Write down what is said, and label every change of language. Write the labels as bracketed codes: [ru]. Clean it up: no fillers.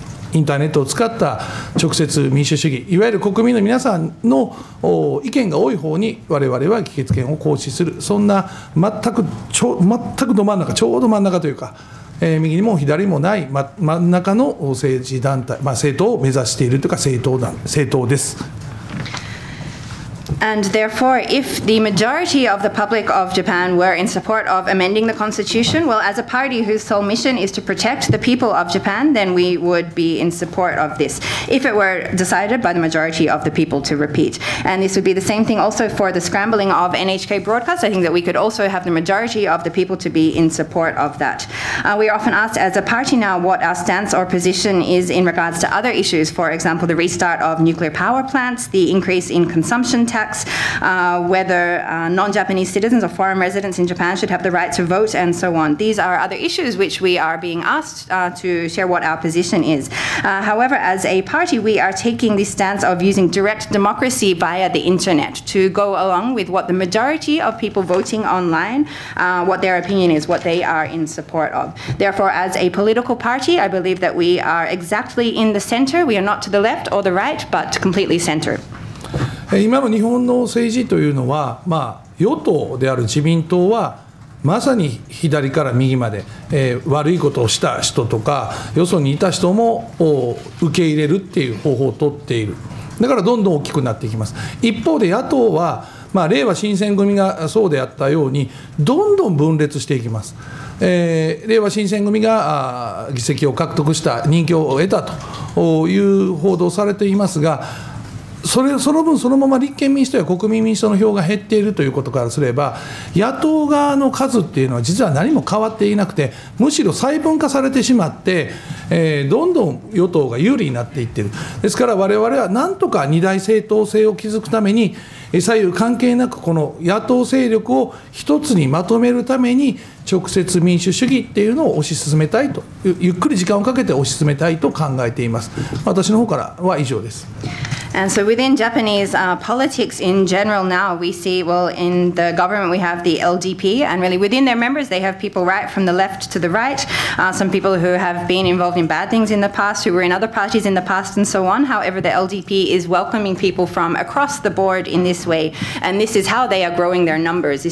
[ja] インターネットを使った直接民主主義、いわゆる国民の皆さんの意見が多い方に我々は議決権を行使する、そんな全くど真ん中、ちょうど真ん中というか、右にも左にもない真ん中の政治団体、まあ、政党を目指しているというか政党です。 [en] And therefore, if the majority of the public of Japan were in support of amending the constitution, well, as a party whose sole mission is to protect the people of Japan, then we would be in support of this, if it were decided by the majority of the people to repeat. And this would be the same thing also for the scrambling of NHK broadcast. I think that we could also have the majority of the people to be in support of that. We are often asked as a party now what our stance or position is in regards to other issues, for example, the restart of nuclear power plants, the increase in consumption tax, affects whether non-Japanese citizens or foreign residents in Japan should have the right to vote and so on. These are other issues which we are being asked to share what our position is. However, as a party, we are taking the stance of using direct democracy via the internet to go along with what the majority of people voting online, what their opinion is, what they are in support of. Therefore, as a political party, I believe that we are exactly in the center. We are not to the left or the right, but completely center. [ja] 今の日本の政治というのは、まあ、与党である自民党はまさに左から右まで、悪いことをした人とかよそにいた人も受け入れるっていう方法を取っている。だからどんどん大きくなっていきます。一方で野党は、まあ、れいわ新選組がそうであったようにどんどん分裂していきます。れいわ新選組が議席を獲得した、人気を得たという報道されていますが、その分そのまま立憲民主党や国民民主党の票が減っているということからすれば、野党側の数っていうのは実は何も変わっていなくて、むしろ細分化されてしまって、どんどん与党が有利になっていっている。ですから我々はなんとか二大政党制を築くために、左右関係なくこの野党勢力を一つにまとめるために、直接民主主義っていうのを推し進めたいと、ゆっくり時間をかけて推し進めたいと考えています。私の方からは以上です。 [en] And so within Japanese politics in general now, we see, well, in the government we have the LDP, and really within their members they have people right from the left to the right, some people who have been involved in bad things in the past, who were in other parties in the past and so on. However, the LDP is welcoming people from across the board in this way, and this is how they are growing their numbers.